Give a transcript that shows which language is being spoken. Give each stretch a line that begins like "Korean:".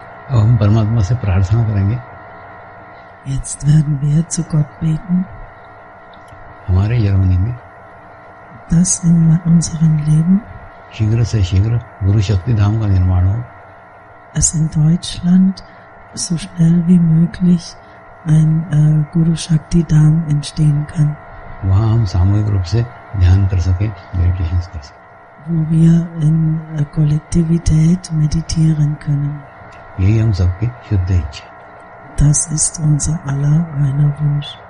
Hindi: हम परमात्मा से प्रार्थना करेंगे।
German: Jetzt werden wir zu Gott beten.
Hindi: हमारे जर्मनी में
German: Das in unserem Leben.
Hindi: शीघ्र से शीघ्र गुरु शक्ति धाम का निर्माण हो।
German: Es in Deutschland so schnell wie möglich ein Guru Shakti Dham entstehen kann.
Hindi: वहां हम सामूहिक रूप से ध्यान कर सके, मेडिटेशन कर सके।
German: Wo wir in Kollektivität meditieren können.
Hindi: यही हम सबकी शुद्ध इच्छा।
German: Das ist unser aller reiner Wunsch.